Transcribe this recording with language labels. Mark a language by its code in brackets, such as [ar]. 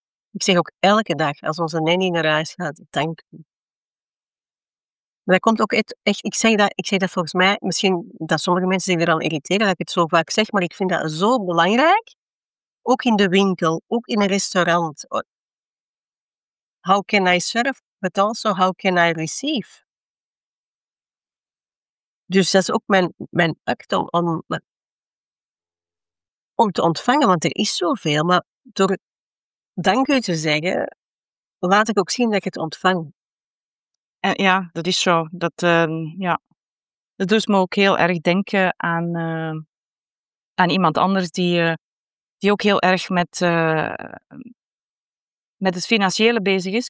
[nl] Ik zeg ook elke dag, als onze nanny naar huis gaat, dank u. Maar dat komt ook echt, ik zeg dat volgens mij, misschien dat sommige mensen zich er al irriteren dat ik het zo vaak zeg, maar ik vind dat zo belangrijk. Ook in de winkel, ook in een restaurant. [en] How can I serve, but also how can I receive? [nl] Dus dat is ook mijn act om te ontvangen, want er is zoveel, maar door het dank u te zeggen, laat ik ook zien dat ik het ontvang. Ja, dat is zo. Dat doet me ook heel erg denken aan iemand anders die ook heel erg met het financiële bezig is.